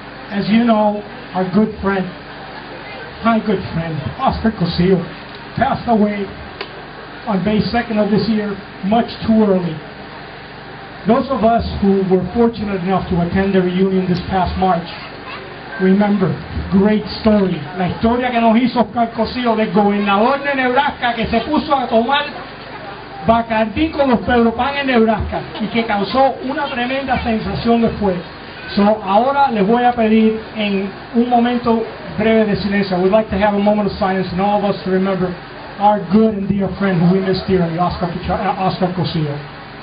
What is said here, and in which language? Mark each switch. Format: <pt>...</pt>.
<en>As you know, our good friend, my good friend, Oscar Cosillo, passed away on May 2nd of this year, much too early. Those of us who were fortunate enough to attend the reunion this past March, remember, great story.</en> <es>La historia que nos hizo Oscar Cosillo, del gobernador de Nebraska, que se puso a tomar Bacardí con los Pedro Pan en Nebraska, y que causó una tremenda sensación después. So, ahora les voy a pedir en un momento breve de silencio.</es> <en>We'd like to have a moment of silence and all of us to remember our good and dear friend who we missed dearly, Oscar Cosillo.</en>